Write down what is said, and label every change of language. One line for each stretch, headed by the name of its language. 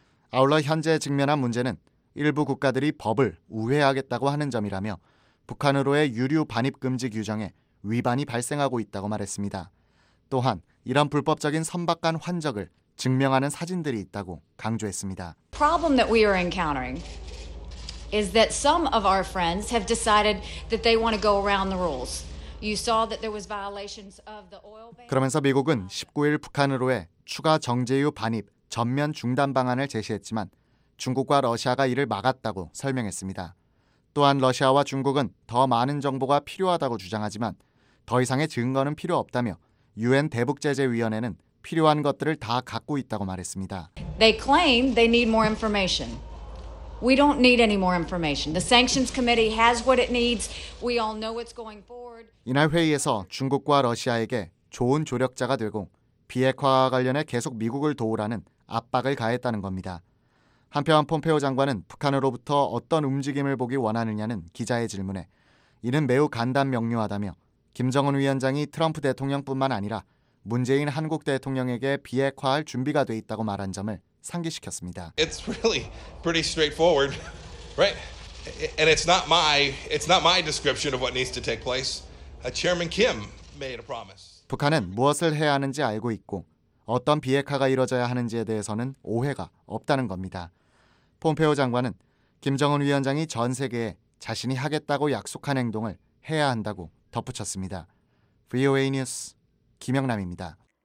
Korean: 아울러 현재 직면한 문제는 일부 국가들이 법을 우회하겠다고 하는 점이라며 북한으로의 유류 반입 금지 규정에 위반이 발생하고 있다고 말했습니다. 또한 이런 불법적인 선박 간 환적을 증명하는 사진들이 있다고 강조했습니다.
English: Problem that we are encountering is that some of our friends have decided that they want to go around the rules. You saw that there was violations of the oil ban.
Korean: 그러면서 미국은 19일 북한으로의 추가 정제유 반입 전면 중단 방안을 제시했지만 중국과 러시아가 이를 막았다고 설명했습니다. 또한 러시아와 중국은 더 많은 정보가 필요하다고 주장하지만 더 이상의 증거는 필요 없다며 유엔 대북 제재 위원회는 필요한 것들을 다 갖고 있다고 말했습니다.
English: They claim they need more information. We don't need any more information. The sanctions committee has what it needs. We all know what's going forward.
Korean: 이날 회의에서 중국과 러시아에게 좋은 조력자가 되고 비핵화와 관련해 계속 미국을 도우라는 압박을 가했다는 겁니다. 한편 폼페오 장관은 북한으로부터 어떤 움직임을 보기 원하느냐는 기자의 질문에 이는 매우 간단명료하다며 김정은 위원장이 트럼프 대통령뿐만 아니라 문재인 한국 대통령에게 비핵화할 준비가 돼 있다고 말한 점을 상기시켰습니다.
English: It's really pretty straightforward. Right. And it's not my description of what needs to take place. Chairman Kim made a promise.
Korean: 북한은 무엇을 해야 하는지 알고 있고 어떤 비핵화가 이루어져야 하는지에 대해서는 오해가 없다는 겁니다. 폼페오 장관은 김정은 위원장이 전 세계에 자신이 하겠다고 약속한 행동을 해야 한다고 덧붙였습니다. VOA 뉴스 김영남입니다.